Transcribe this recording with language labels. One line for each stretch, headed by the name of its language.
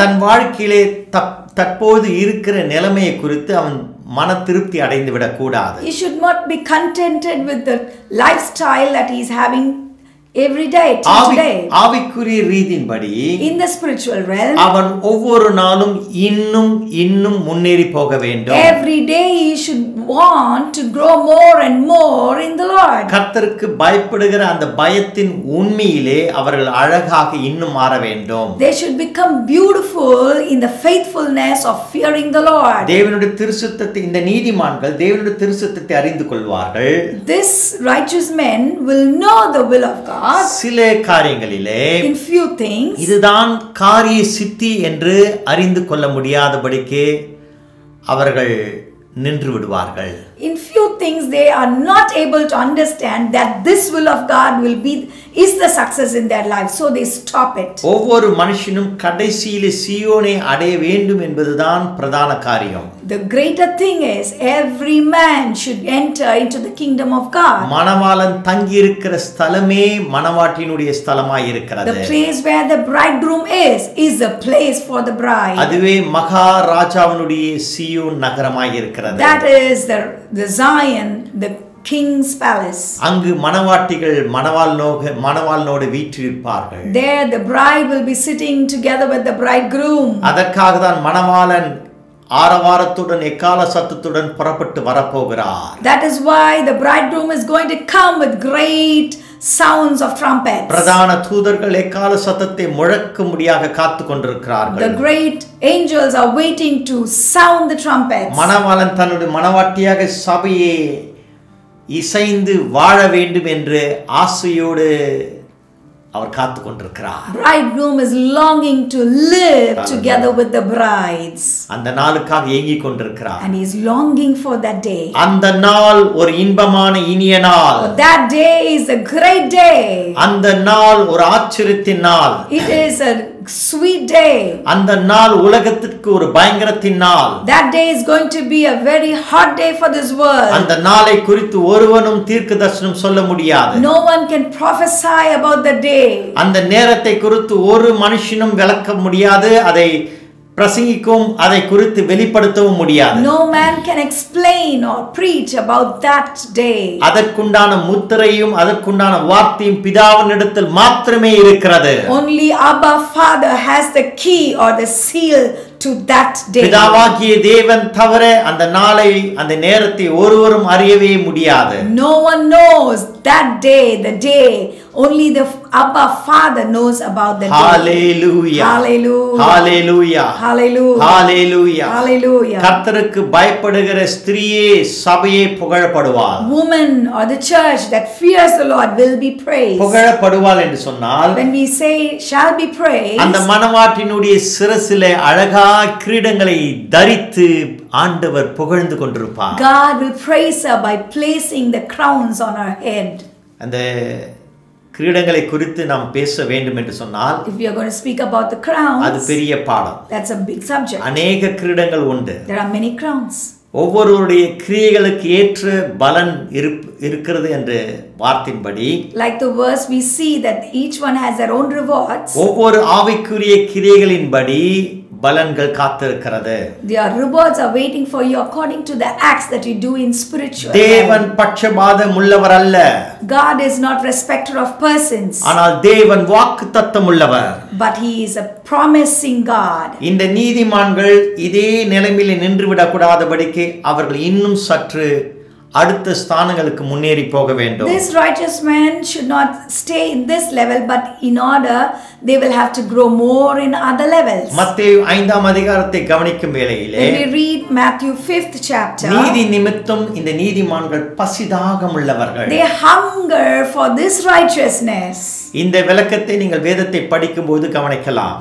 Tamil: தன் வாழ்க்கையிலே தற்போது இருக்கிற நிலைமையை குறித்து அவன் மன திருப்தி அடைந்து விட கூடாது.
English: He should not be contented with the lifestyle that he is having every day today.
Tamil: ஆவிக்குரிய ரீதியின்படி
English: in the spiritual realm
Tamil: அவன் ஒவ்வொரு நாளும் இன்னும் இன்னும் முன்னேறி போக வேண்டும்.
English: Every day he should want to grow more and more in the Lord.
Tamil: கர்த்தருக்கு பயப்படுகிற அந்த பயத்தின் உண்மையிலே அவர்கள் அழகாக இன்னும் மாற வேண்டும்.
English: They should become beautiful in the faithfulness of fearing the Lord.
Tamil: தேவனுடைய திருசுத்தத்தை இந்த நீதிமான்கள் தேவனுடைய திருசுத்தத்தை அறிந்து கொள்வார்கள்.
English: This righteous men will know the will of
Tamil: சில காரியங்களிலே
English: in few things
Tamil: இதுதான் காரிய சித்தி என்று அறிந்து கொள்ள முடியாதபடிக்கு அவர்கள் நின்று விடுவார்கள்.
English: In few things they are not able to understand that this will of God will be is the success in their life, so they stop it.
Tamil: ஒவ்வொரு மனுஷனும் கடைசியிலே சியோனை அடைய வேண்டும் என்பதுதான் பிரதான காரியம்.
English: The greater thing is every man should enter into the kingdom of God.
Tamil: மணவாளன் தங்கி இருக்கிற ஸ்தலமே மணவாட்டியினுடைய ஸ்தலமாய் இருக்கிறது.
English: The place where the bridegroom is a place for the bride.
Tamil: அதுவே மகாராஜாவினுடைய சியோன் நகரமாய் இருக்கிறது.
English: That is the Zion, the King's palace.
Tamil: அங்கு மணவாட்டிகள் மணவாளனோடு வீற்றிருப்பார்கள்.
English: There the bride will be sitting together with the bridegroom.
Tamil: அதற்காக தான் மணவாளன் ஆரவாரத்துடன் எக்கால சத்தத்துடன் புறப்பட்டு வரப்போகிறார்.
English: That is why the bridegroom is going to come with great sounds of trumpets.
Tamil: பிரதான தூதர்கள் எக்கால சத்தத்தை முழக்கும்படியாக காத்துக் கொண்டிருக்கிறார்கள்.
English: The great angels are waiting to sound the trumpets.
Tamil: மணவாளன் தன்னுடைய மணவாட்டியாக சபையே இசைந்து வாழ வேண்டும் என்று ஆசையோடு அவர் காத்துக் கொண்டிருக்கிறார்.
English: Bridegroom is longing to live together with the brides.
Tamil: அந்த நாளுக்காக ஏங்கிக் கொண்டிருக்கிறார்.
English: And he is longing for that day.
Tamil: அந்த நாள் ஒரு இன்பமான இனிய நாள்.
English: That day is a great day.
Tamil: அந்த நாள் ஒரு ஆச்சரியத்தின் நாள்.
English: It is a sweet day.
Tamil: அந்த நாள் உலகத்துக்கு ஒரு பயங்கரத்தின் நாள்.
English: That day is going to be a very hot day for this world.
Tamil: அந்த நாளை குறித்து ஒருவனும் தீர்க்கதரிசனம் சொல்ல முடியாது.
English: No one can prophesy about the day.
Tamil: அந்த நேரத்தை குறித்து ஒரு மனுஷனும் விளக்க முடியாது. அதை பிரசங்கிக்கவும் அதை குறித்து வெளிப்படுத்தவும் முடியாது.
English: No man can explain or preach about that day.
Tamil: அதற்குண்டான முத்திரையும் அதற்குண்டான வார்த்தையும் பிதாவினிடத்தில் மாத்திரமே இருக்கிறது.
English: Only Abba Father has the key or the seal to that day.
Tamil: பிதாவாகிய தேவன் தவிர அந்த நாளை அந்த நேரத்தை ஒருவரும் அறியவே முடியாது.
English: No one knows that day, the day only the Abba Father knows about the day. Hallelujah. Hallelujah. Hallelujah. Hallelujah. Hallelujah. Hallelujah.
Tamil: கர்த்தருக்கு பயப்படுகிற ஸ்திரீயே சபையே புகழப்படுவாள்.
English: Woman or the church that fears the Lord will be praised.
Tamil: புகழப்படுவாள் என்று சொன்னால்
English: when we say shall be praised
Tamil: அந்த மனவாட்டினுடைய சிரசிலே அழகாய் கிரீடங்களை தரித்து ஆண்டவர் புகழ்ந்து கொண்டிருப்பார்.
English: God will praise her by placing the crowns on her head.
Tamil: அந்த கிரீடங்களை குறித்து நாம் பேச வேண்டும் என்று சொன்னால்
English: if you are going to speak about the crowns
Tamil: அது பெரிய பாடம்.
English: That's a big subject.
Tamil: அநேக கிரீடங்கள் உண்டு.
English: There are many crowns.
Tamil: ஒவ்வொருவருடைய கிரியைகளுக்கு ஏற்ற பலன் இருக்கிறது என்று வார்த்தின்படி
English: like the verse we see that each one has their own rewards.
Tamil: ஒவ்வொரு ஆவிக்குரிய கிரியைகளின்படி பலன்கள் காத்திருக்கிறது.
English: Their rewards are waiting for you according to the acts that you do in spiritual.
Tamil: தேவன் பட்சபாதம் உள்ளவர் அல்ல.
English: God is not respecter of persons.
Tamil: ஆனால் தேவன் வாக்குத்தத்தம் உள்ளவர்.
English: But he is a promising God.
Tamil: இந்த நீதிமான்கள் இதே நிலையிலே நின்றுவிடக் கூடாதபடிக்கு அவர்கள் இன்னும் சற்று அடுத்த ஸ்தானங்களுக்கு முன்னேறி போக வேண்டும்.
English: This righteous man should not stay in this level, but in order they will have to grow more in other levels.
Tamil: மத்தேயு 5ஆம் அதிகாரத்தை கவனிக்கும் வேளையிலே,
English: When we read Matthew 5th chapter,
Tamil: நீதி நிமித்தம் இந்த நீதிமான்கள் பசிதாகம் உள்ளவர்கள்.
English: They hunger for this righteousness.
Tamil: இந்த விளக்கத்தை நீங்கள் வேதத்தை படிக்கும் போது கவனிக்கலாம்.